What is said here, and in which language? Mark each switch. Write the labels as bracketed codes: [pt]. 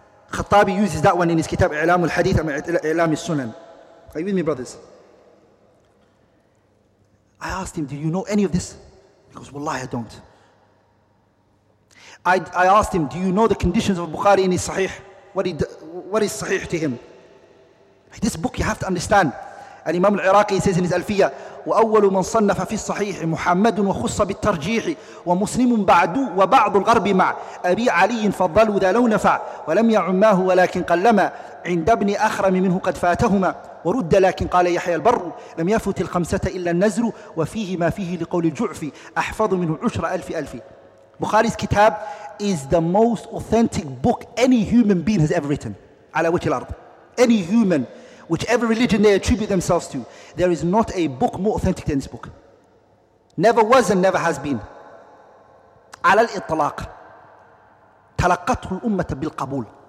[en] Khattabi uses that one in his kitab I'lam al-hadith and I'lam al-sunan. Are you with me, brothers? I asked him, do you know any of this? He goes, wallahi, I don't. I asked him, do you know the conditions of Bukhari in his sahih? What is sahih to him? This book you have to understand. And Imam al-Iraqi says in his Alfiya, [ar] وأول من صنف في الصحيح محمد وخص بالترجيح ومسلم بعد وبعض الغرب مع أبي علي فضلوا ذا لو نفع ولم يعماه ولكن قلما عند ابن أخرم منه قد فاتهما ورد لكن قال يحيى البر لم يفوت الخمسة إلا النزر وفيه ما فيه لقول الجعفي أحفظ منه عشر ألف ألف. [en] Bukhari's kitab is the most authentic book any human being has ever written. [ar] على وجه الأرض. [en] Any human, whichever religion they attribute themselves to, there is not a book more authentic than this book. Never was and never has been. [ar] على الإطلاق. تلقته الأمة بالقبول.